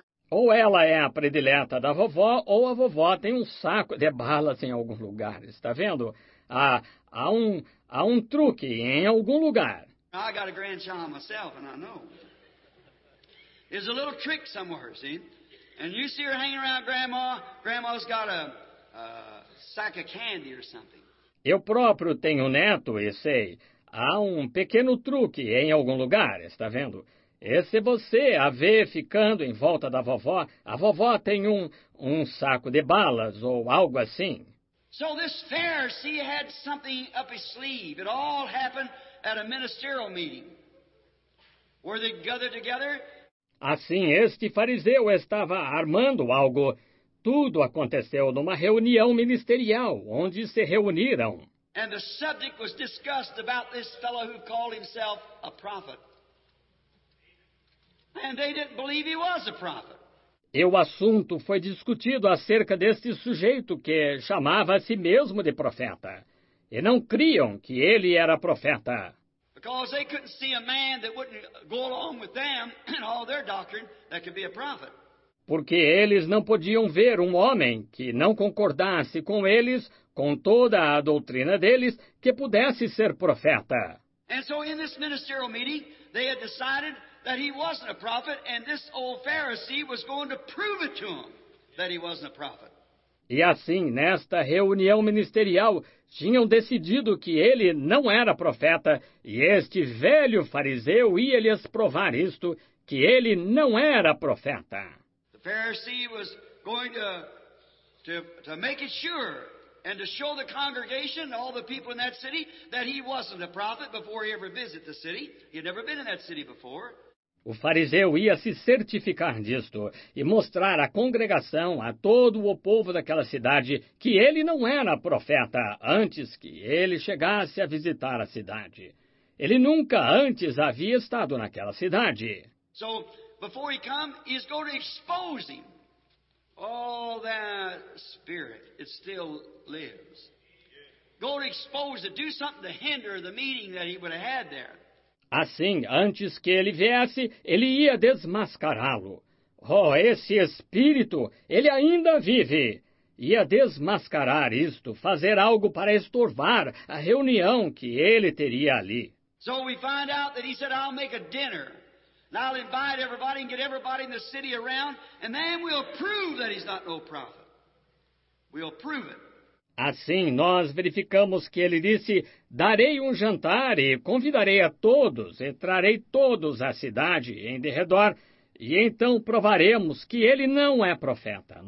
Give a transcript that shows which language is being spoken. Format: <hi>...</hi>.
<pt>Ou ela é a predileta da vovó, ou a vovó tem um saco de balas em algum lugar, está vendo? Há um truque em algum lugar.</pt> <en>I got a grandchild myself, and I know. There's a little trick somewhere, see? And you see her hanging around grandma, grandma's got a sack of candy or something.</en> <pt>Eu próprio tenho neto e sei. Há um pequeno truque em algum lugar, está vendo? E se você a vê ficando em volta da vovó, a vovó tem um saco de balas ou algo assim.</pt> <en>So this Pharisee had something up his sleeve. It all happened at a ministerial meeting. Were they gathered together?</en> <pt>Assim, este fariseu estava armando algo. Tudo aconteceu numa reunião ministerial, onde se reuniram.</pt> <en>And the subject was discussed about this fellow who called himself a prophet. And they didn't believe he was a prophet.</en> <pt>E o assunto foi discutido acerca deste sujeito que chamava a si mesmo de profeta. E não criam que ele era profeta.</pt> <en>Because they couldn't see a man that wouldn't go along with them and all their doctrine that could be a prophet.</en> <pt>Porque eles não podiam ver um homem que não concordasse com eles, com toda a doutrina deles, que pudesse ser profeta.</pt> <en>And so in this ministerial meeting, they had decided that he wasn't a prophet, and this old Pharisee was going to prove it to him that he wasn't a prophet.</en> <pt>E assim, nesta reunião ministerial, tinham decidido que ele não era profeta, e este velho fariseu ia lhes provar isto, que ele não era profeta.</pt> <en>The Pharisee was going to make it sure And to show the congregation and all the people in that city that he wasn't a prophet before he ever visited the city. He had never been in that city before.</en> <pt>O fariseu ia se certificar disto e mostrar à congregação, a todo o povo daquela cidade, que ele não era profeta antes que ele chegasse a visitar a cidade. Ele nunca antes havia estado naquela cidade.</pt> <en>So, before he come, he's going to expose him. All that spirit, it still lives. Go to expose it, do something to hinder the meeting that he would have had there.</en> <pt>Assim, antes que ele viesse, ele ia desmascará-lo. Oh, esse espírito, ele ainda vive. Ia desmascarar isto, fazer algo para estorvar a reunião que ele teria ali.</pt> <en>So we find out that he said, I'll make a dinner. And I'll invite everybody and get everybody in the city around. And then we'll prove that he's not no prophet. We'll prove it.</en> <pt>Assim, nós verificamos que ele disse, darei um jantar e convidarei a todos, e trarei todos à cidade em derredor, e então provaremos que ele não é profeta.</pt>